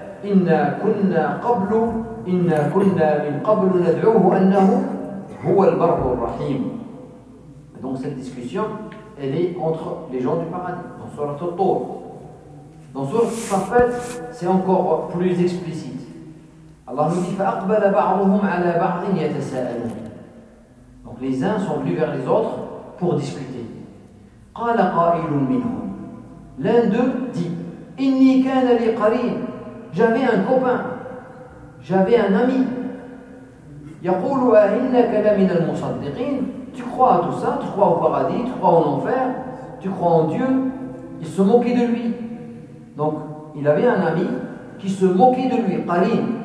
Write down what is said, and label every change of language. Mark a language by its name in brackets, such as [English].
[Arabic] إِنَّا كُنَّا قَبْلُ إِنَّا كُنَّا مِنْ قَبْلُ نَدْعُوهُ أَنَّهُ هُوَ الْبَرُّ الرَّحِيمُ. [French] Donc cette discussion, elle est entre les gens du paradis, dans Surat al-Tur. Dans ce prophète, c'est encore plus explicite. Allah nous dit [Arabic] فَأَقْبَلَ بَعْضُهُمْ عَلَى بَعْضٍ يَتَسَاءَلُونَ. [French] Donc les uns sont venus vers les autres pour discuter. [Arabic] قَالَ قَائِلٌ مِنْهُمْ. [French] L'un d'eux dit [Arabic] إِنِّي كَانَ لِي قَرِينٌ. [French] J'avais un copain, j'avais un ami. [Arabic] يَقُولُ أَهِنَّكَ لَمِنَ الْمُصَدِّقِينَ. [French] Tu crois à tout ça, tu crois au paradis, tu crois en enfer, tu crois en Dieu. Il se moquait de lui. Donc, il avait un ami qui se moquait de lui, Qalin.